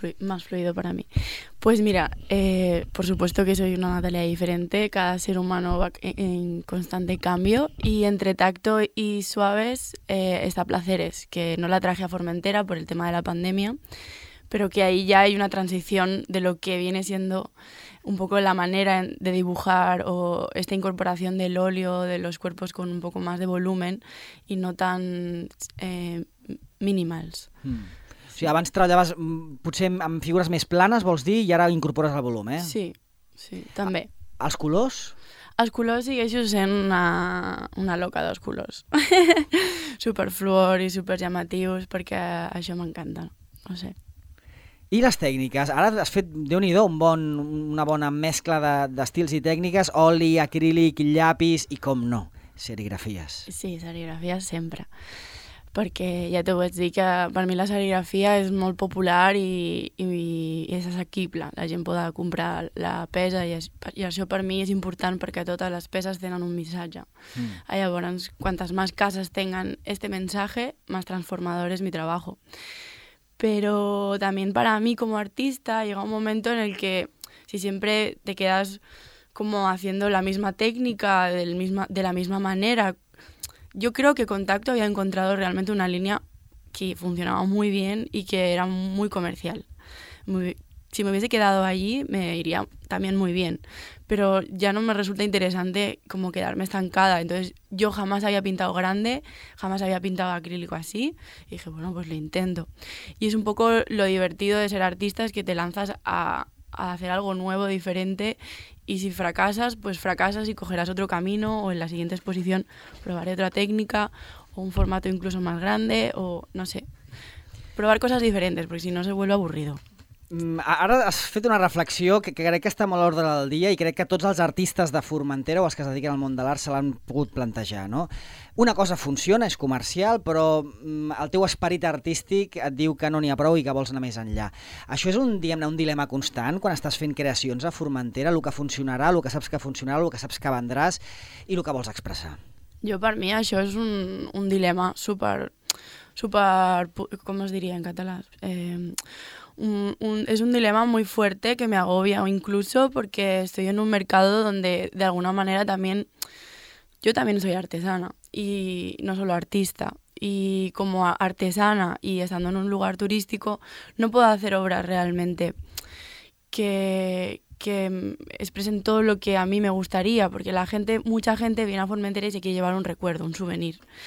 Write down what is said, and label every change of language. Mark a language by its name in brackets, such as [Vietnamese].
[Spanish] Que es más fluido para mí. Pues mira, por supuesto que soy una Natalia diferente, cada ser humano va en constante cambio y entre Tacto y Suaves está Placeres, que no la traje a Formentera por el tema de la pandemia, pero que ahí ya hay una transición de lo que viene siendo un poco la manera de dibujar o esta incorporación del óleo, de los cuerpos con un poco más de volumen y no tan minimals. [Catalan] O sigui, abans treballaves potser amb figures més planes, vols dir, i ara incorpores el volum, eh? Sí, sí, també. Els colors? Els colors segueixo sent una loca dels colors. Superfluor i superllamatius, perquè això m'encanta, no sé. I les tècniques? Ara has fet, déu-n'hi-do, una bona mescla d'estils i tècniques, oli, acrílic, llapis i, com no, serigrafies. Sí, serigrafies sempre. Perquè ja t'ho vaig dir, que per mi la serigrafia és molt popular i és assequible. La gent pot comprar la peça i això per mi és important perquè totes les peces tenen un missatge. Mm. Llavors, quantes més cases tenen este mensatge, més transformador és mi treball. Però també per a mi com a artista [Spanish] llega un moment en el que si sempre te quedas como haciendo la misma técnica de la misma manera. Yo creo que Contacto había encontrado realmente una línea que funcionaba muy bien y que era muy comercial. Si me hubiese quedado allí, me iría también muy bien. Pero ya no me resulta interesante como quedarme estancada. Entonces, yo jamás había pintado grande, jamás había pintado acrílico así. Y dije, bueno, pues lo intento. Y es un poco lo divertido de ser artista, es que te lanzas a hacer algo nuevo, diferente. Y si fracasas, pues fracasas y cogerás otro camino o en la siguiente exposición probaré otra técnica o un formato incluso más grande o no sé. Probar cosas diferentes porque si no se vuelve aburrido. [Catalan] Ara has fet una reflexió que crec que està molt a l'ordre del dia i crec que tots els artistes de Formentera o els que es dediquen al món de l'art se l'han pogut plantejar, no? Una cosa funciona, és comercial, però el teu esperit artístic et diu que no n'hi ha prou i que vols anar més enllà. Això és un dilema constant quan estàs fent creacions a Formentera, el que funcionarà, el que saps que funcionarà, el que saps que vendràs i el que vols expressar. Jo, per mi, això és un dilema super... com es diria en català? [Spanish] Es un dilema muy fuerte que me agobia, incluso porque estoy en un mercado donde de alguna manera también yo también soy artesana y no solo artista, y como artesana y estando en un lugar turístico no puedo hacer obras realmente que expresen todo lo que a mí me gustaría, porque la gente, mucha gente viene a Formentera y se quiere llevar un recuerdo, un souvenir.